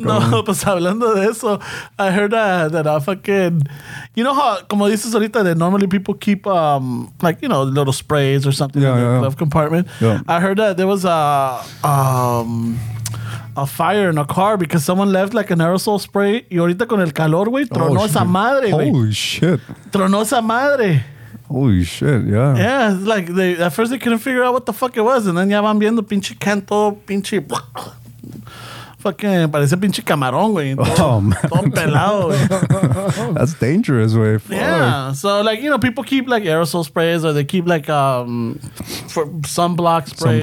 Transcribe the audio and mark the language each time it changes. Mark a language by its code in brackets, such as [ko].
[en] no, on. [es] Pues hablando de eso, [en] I heard that I fucking... You know how, [es] como dices ahorita, [en] that normally people keep, little sprays or something in the glove compartment? Yeah. I heard that there was a fire in a car because someone left like an aerosol spray. [es] Y ahorita con el calor, güey, tronó esa madre, güey. [en] Holy shit. [es] Tronó esa madre. [en] Holy shit, yeah. Yeah, it's like at first they couldn't figure out what the fuck it was. And then [es] ya van viendo pinche canto, pinche... Fucking, parece pinche camarón, güey. Oh, man. Todo pelado, güey. [en] That's dangerous, güey. Fuck. Yeah. So, like, you know, people keep, like, aerosol sprays or they keep, like, for sunblock sprays.